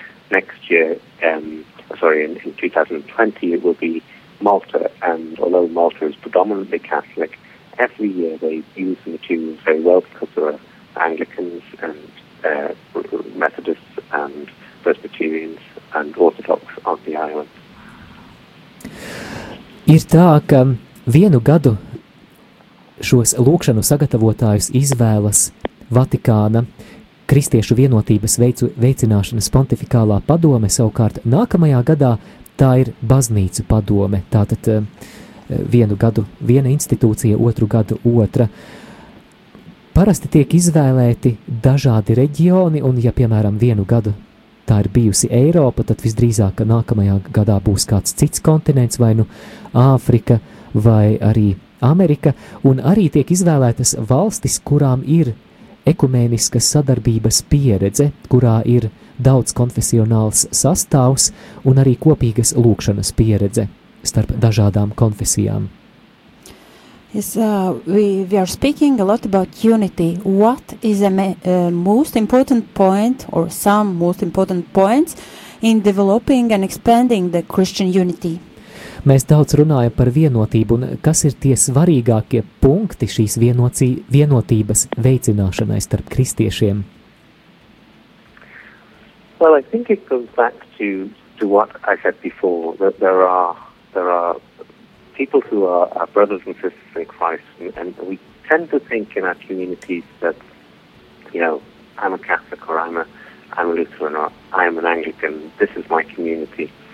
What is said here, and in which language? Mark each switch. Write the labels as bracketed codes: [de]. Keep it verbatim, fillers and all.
[en] Next year, um, sorry, in, in twenty twenty, it will be Malta, and although Malta is predominantly Catholic, every year they use the materials very well because there are Anglicans and uh, Methodists and Presbyterians and Orthodox on the island. [lv] Ir tā, ka vienu gadu šos lūkšanu sagatavotājus izvēlas Vatikāna Kristiešu vienotības veicu, veicināšanas pontifikālā padome savukārt nākamajā gadā tā ir baznīcu padome. Tātad vienu gadu viena institūcija, otru gadu otra. Parasti tiek izvēlēti dažādi reģioni, un ja, piemēram, vienu gadu tā ir bijusi Eiropa, tad visdrīzāk nākamajā gadā būs kāds cits kontinents, vai nu Āfrika, vai arī Amerika, un arī tiek izvēlētas valstis, kurām ir ekumeniskas sadarbības pieredze, kurā ir daudz konfesionāls sastāvs un arī kopīgas lūkšanas pieredze starp dažādām konfesijām. [en] Yes, uh, we, we are speaking a lot about unity. What is the ma- uh, most important point or some most important points in developing and expanding the Christian unity? [lv] Mēs daudz runājam par vienotību, un kas ir tie svarīgākie punkti šīs vienocī, vienotības veicināšanai starp kristiešiem? [en] Well, I think it goes back to, to what I said before, that there are, there are people who are our brothers and sisters in Christ, and, and we tend to think in our communities that, you know, I'm a Catholic, or I'm a, I'm a Lutheran, or I'm an Anglican, this is my community.